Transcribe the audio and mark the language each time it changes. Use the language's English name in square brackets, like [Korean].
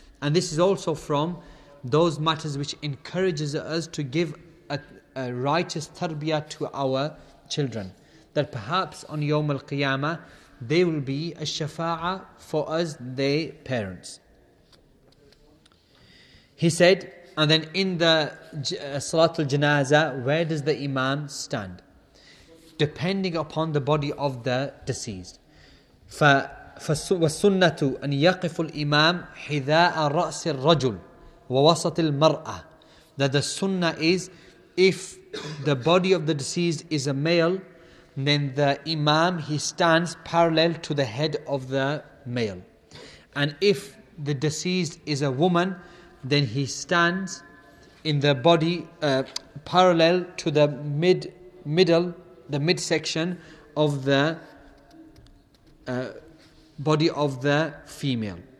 [English] And this is also from those matters which encourages us to give a righteous tarbiyah to our children, that perhaps on Yawm al-Qiyamah they will be a shafa'ah for us, their parents. He said, and then in the Salatul Janazah, where does the Imam stand? Depending upon the body of the deceased. For [Arabic] والسنة أن يقف الإمام حذاء رأس الرجل ووسط المرأة. [English] That the sunnah is, if the body of the deceased is a male, then the imam, he stands parallel to the head of the male. And if the deceased is a woman, then he stands in the body parallel to the midsection of the body of the female.